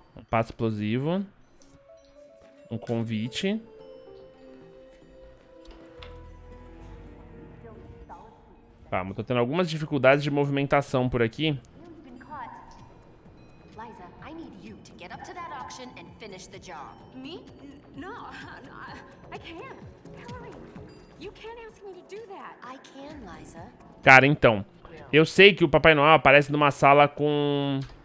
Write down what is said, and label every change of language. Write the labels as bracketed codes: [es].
[pt] Passo explosivo. Um convite. Tá, mas tô tendo algumas dificuldades de movimentação por aqui. [en] Liza, I need you to get up to that auction and finish the job. Me? No, I can't. Hurry. You can't ask me to do that. I can, Liza. [pt] Cara, então, eu sei que o Papai Noel aparece numa sala com...